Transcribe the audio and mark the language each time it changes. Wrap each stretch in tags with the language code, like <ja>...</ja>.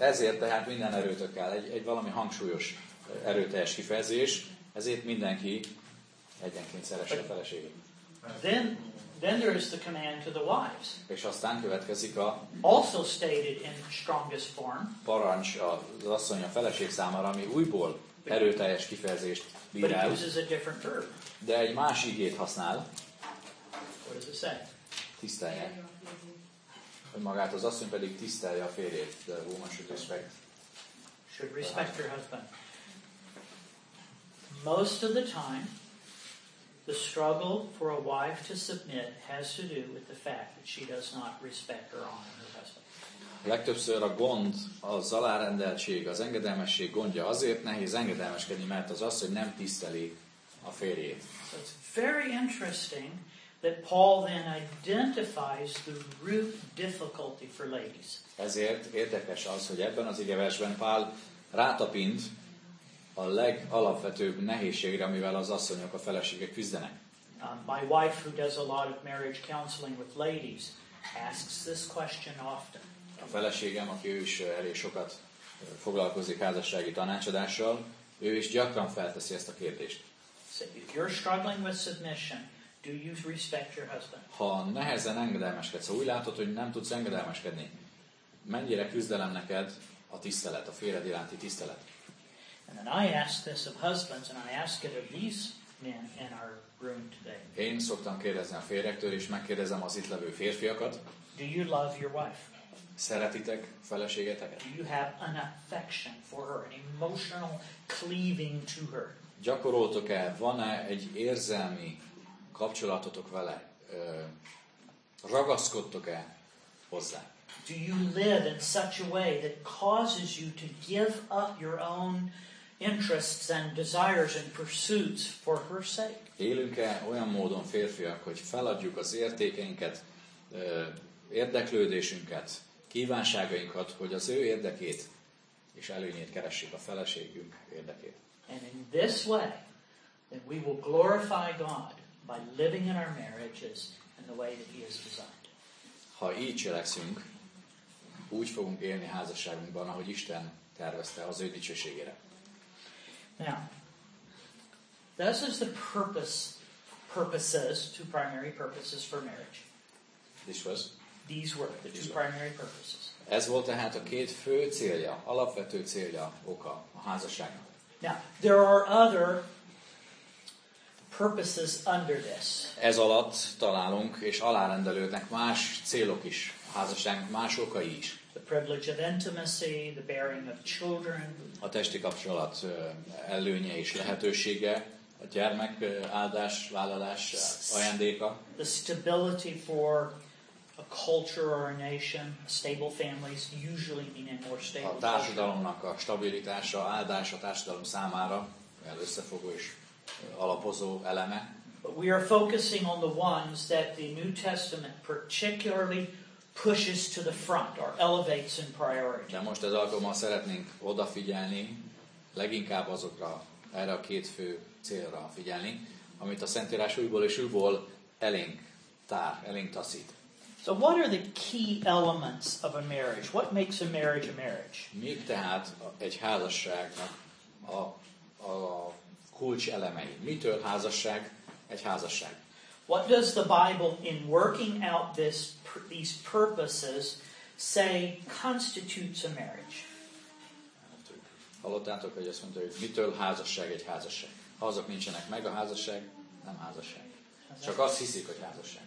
<hu>Ezért tehát minden erőtök kell. Egy valami hangsúlyos, erőteljes kifejezés. Ezért mindenki egyenként szeresse a feleségét.</hu> <en>Then there is the command to the wives.</en> <hu>És aztán következik a</hu> <en>also stated in strongest form.</en> <hu>Parancs az asszony a feleség számára, ami újból erőteljes kifejezést bír el.</hu> <en>But uses a different verb.</en> <hu>De egy más igét használ.</hu> <en>What does it say?</en> <hu>Tisztelje. Hogy magát az asszony pedig tisztelje a férjét.</hu> <en>The woman should respect. Should respect her husband. Most of the time, the struggle for a wife to submit has to do with the fact that she does not respect or honor her husband.</en> <hu>Legtöbbször a gond, az alárendeltség, az engedelmesség gondja azért nehéz engedelmeskedni, mert az asszony nem tiszteli a férjét.</hu> <en>So it's very interesting that Paul then identifies the root difficulty for ladies.</en> <hu>Ezért érdekes az, hogy ebben az igeversben Pál rátapint a legalapvetőbb nehézségre, amivel az asszonyok, a feleségek küzdenek.</hu> <en>My wife, who does a lot of marriage counseling with ladies, asks this question often.</en> <hu>A feleségem, aki ő is elég sokat foglalkozik házassági tanácsadással, ő is gyakran felteszi ezt a kérdést.</hu> <en>So if you're struggling with submission, do you respect your husband?</en> <hu>Ha nehezen engedelmeskedsz, ha úgy látod, hogy nem tudsz engedelmeskedni, mennyire küzdelem neked a tisztelet, a férjed iránti tisztelet?</hu> <en>And then I ask this of husbands, and I ask it of these men in our room today.</en> <hu>Én szoktam kérdezni a férjektől, és megkérdezem az itt levő férfiakat.</hu> <en>Do you love your wife?</en> <hu>Szeretitek feleségeteket?</hu> <en>Do you have an affection for her, an emotional cleaving to her?</en> <hu>Gyakoroltok-e, van-e egy érzelmi kapcsolatotok vele? Ragaszkodtok-e hozzá?</hu> <en>Do you live in such a way that causes you to give up your own interests and desires and pursuits for her sake?</en> <hu>Élünk-e olyan módon, férfiak, hogy feladjuk az értékeinket, érdeklődésünket, kívánságainkat, hogy az ő érdekét és előnyét keressük, a feleségünk érdekét.</hu> <en>And in this way, then we will glorify God by living in our marriages in the way that He has designed.</en> <hu>Ha így cselekszünk, úgy fogunk élni házasságunkban, ahogy Isten tervezte az ő dicsőségére.</hu> <en>Now, this is the purposes, two primary purposes for marriage. This was? These were the two primary purposes.</en> <hu>Ez volt tehát a két fő célja, alapvető célja, oka a házasságnak.</hu> <en>Now, there are other purposes under this.</en> <hu>Ez alatt találunk, és alárendelődnek más célok is. Házasság más okai is.</hu> <en>The privilege of intimacy, the bearing of children.</en> <hu>A testi kapcsolat előnye és lehetősége, a gyermek áldás, vállalás ajándéka.</hu> <en>The stability for a culture or a nation, stable families usually mean a more stable culture.</en> <hu>A társadalomnak a stabilitása, áldás a társadalom számára, el összefogó és alapozó eleme.</hu> <en>But we are focusing on the ones that the New Testament particularly pushes to the front or elevates in priority.</en> <hu>De most ez alkalommal szeretnénk odafigyelni, leginkább azokra, erre a két fő célra figyelni, amit a Szentírás újból és újból elénk tár, elénk taszít.</hu> <en>So what are the key elements of a marriage? What makes a marriage a marriage?</en> <hu>Mik tehát egy házasságnak a kulcs elemei? Mitől házasság egy házasság?</hu> <en>What does the Bible, in working out these purposes, say constitutes a marriage?</en> <hu>Hallottátok, hogy azt mondta, hogy mitől házasság egy házasság? Ha azok nincsenek meg, a házasság nem házasság. Csak azt hiszik, hogy házasság.</hu>